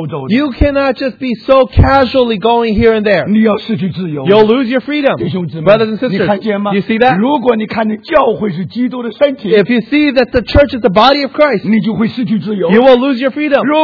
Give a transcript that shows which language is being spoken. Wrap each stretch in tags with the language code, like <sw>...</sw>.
<en>You cannot just be so casually going here and there. You'll lose your freedom.</en> <zh>弟兄姊妹,</zh> <en>brothers and sisters,</en> <zh>你看见吗?</zh> <en>You see that?</en> <zh>如果你看见教会是基督的身体,</zh> <en>if you see that the church is the body of Christ, you will lose your freedom.</en>